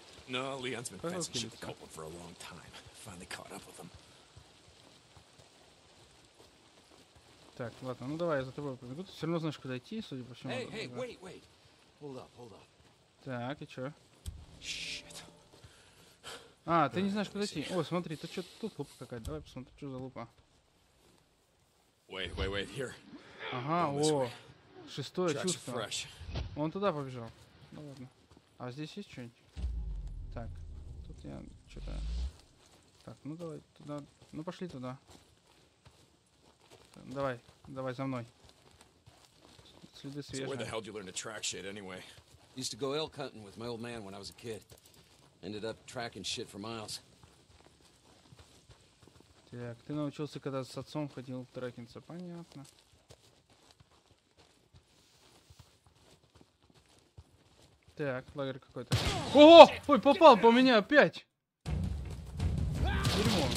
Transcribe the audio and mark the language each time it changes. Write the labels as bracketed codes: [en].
[en] No, Leon's been fencing shit with Copeland for a long time. Finally caught up with him. [ru] Так, ладно, ну давай я за тобой побегу. Все равно знаешь, куда идти, судя по всему. [en] Hey, hey, wait, wait. Hold up, hold up. [ru] Так, и чё? [en] Shit. [ru] А, ты не знаешь, куда идти. О, смотри, тут что-то тут лупа какая-то. Давай посмотрим, что за лупа. [en] Wait, wait, wait, here. [ru] Ага, о, шестое чувство. Он туда побежал. Ну ладно. А здесь есть что-нибудь? Так, тут я что-то... Так, ну давай туда... Ну пошли туда. Давай, давай за мной. Следы свежие. [en] Where the hell did you learn to track shit anyway? Used to go elk hunting with my old man when I was a kid. Ended up tracking shit for miles. [ru] Так, ты научился, когда с отцом ходил трекинться, понятно. Так, лагерь какой-то. Ого! Ой, попал по мне опять! Дерьмо.